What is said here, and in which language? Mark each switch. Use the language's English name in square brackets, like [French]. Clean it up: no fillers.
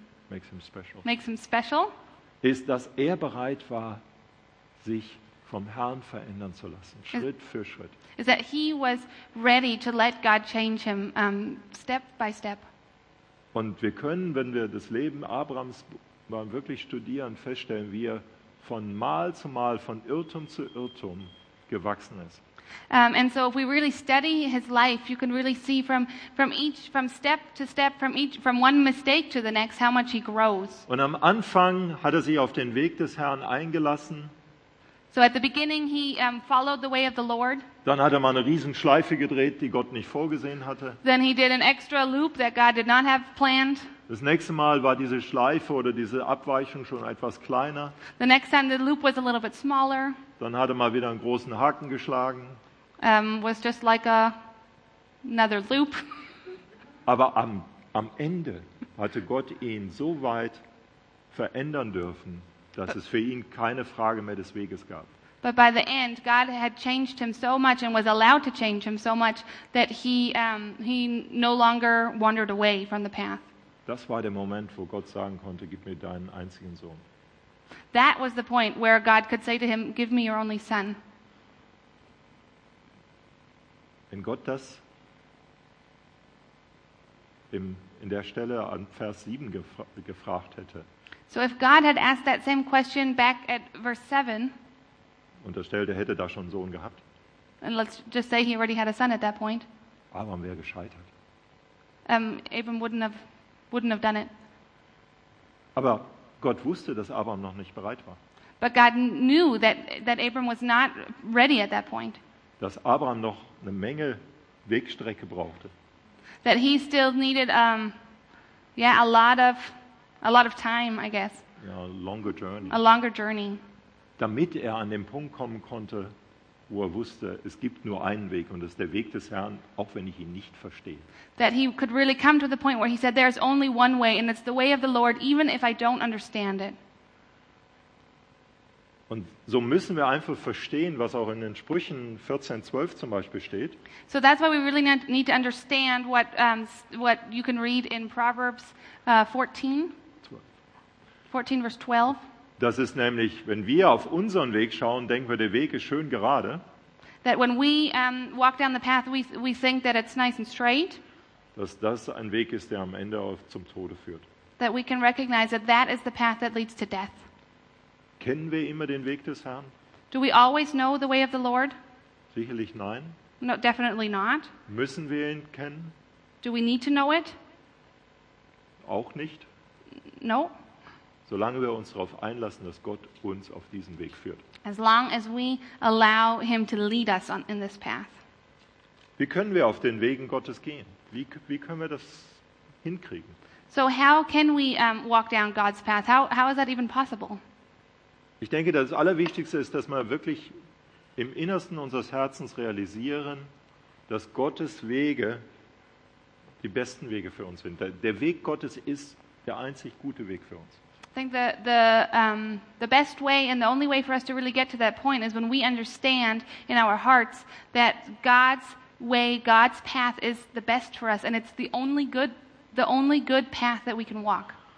[English] makes him special [German] ist, dass er bereit war, sich vom Herrn verändern zu lassen, Schritt für Schritt. [English] Is that he was ready to let God change him step by step. [German] Und wir können, wenn wir das Leben Abrahams mal wirklich studieren, feststellen, wie er von Mal zu Mal, von Irrtum zu Irrtum gewachsen ist. [English] And so if we really study his life, you can really see from step to step, from one mistake to the next, how much he grows. [German] Und am Anfang hat er sich auf den Weg des Herrn eingelassen. [English] So at the beginning he followed the way of the Lord. [German] Dann hat er mal eine riesen Schleife gedreht, die Gott nicht vorgesehen hatte. [English] Then he did an extra loop that God did not have planned. [German] Das nächste Mal war diese Schleife oder diese Abweichung schon etwas kleiner. [English] The next time the loop was a little bit smaller. [German] Dann hat er mal wieder einen großen Haken geschlagen. [English] Was just like another loop. [German] Aber am Ende hatte Gott ihn so weit verändern dürfen, dass es für ihn keine Frage mehr des Weges gab. [English] But by the end, God had changed him so much and was allowed to change him so much that he no longer wandered away from the path. [German] Das war der Moment, wo Gott sagen konnte, gib mir deinen einzigen Sohn. [English] That was the point where God could say to him, give me your only son. [German] Wenn Gott das in der Stelle an Vers 7 gefragt hätte. [English] So if God had asked that same question back at verse 7. [German] Unterstellt, er hätte da schon einen Sohn gehabt. [English] And let's just say he already had a son at that point. [German] Abraham wäre gescheitert. [English] Abraham wouldn't have done it. [German] Aber Gott wusste, dass Abraham noch nicht bereit war. [English] But God knew that Abraham was not ready at that point. [German] Dass Abraham noch eine Menge Wegstrecke brauchte. [English] That he still needed a lot of time, I guess. Ja, longer journey. A longer journey. [German] Damit er an den Punkt kommen konnte, wo er wusste, es gibt nur einen Weg und das ist der Weg des Herrn, auch wenn ich ihn nicht verstehe. [English] That he could really come to the point where he said there is only one way and it's the way of the Lord even if I don't understand it. [German] Und so müssen wir einfach verstehen, was auch in den Sprüchen 14:12 zum Beispiel steht. [English] So that's why we really need to understand what you can read in Proverbs 14:12. [German] Das ist nämlich, wenn wir auf unseren Weg schauen, denken wir, der Weg ist schön gerade. [English] That when we walk down the path, we think that it's nice and straight. [German] Dass das ein Weg ist, der am Ende auch zum Tode führt. [English] That we can recognize that is the path that leads to death. [German] Kennen wir immer den Weg des Herrn? [English] Do we always know the way of the Lord? [German] Sicherlich nein. [English] No, definitely not. [German] Müssen wir ihn kennen? [English] Do we need to know it? [German] Auch nicht. [English] No. [German] Solange wir uns darauf einlassen, dass Gott uns auf diesen Weg führt. [English] As long as we allow him to lead us in this path. [German] Wie können wir auf den Wegen Gottes gehen? Wie können wir das hinkriegen? [English] So how can we walk down God's path? How is that even possible? [German] Ich denke, das Allerwichtigste ist, dass wir wirklich im Innersten unseres Herzens realisieren, dass Gottes Wege die besten Wege für uns sind. Der Weg Gottes ist der einzig gute Weg für uns. [English] I think the best way and the only way for us to really get to that point is when we understand in our hearts that God's way, God's path is the best for us and it's the only good path that we can walk.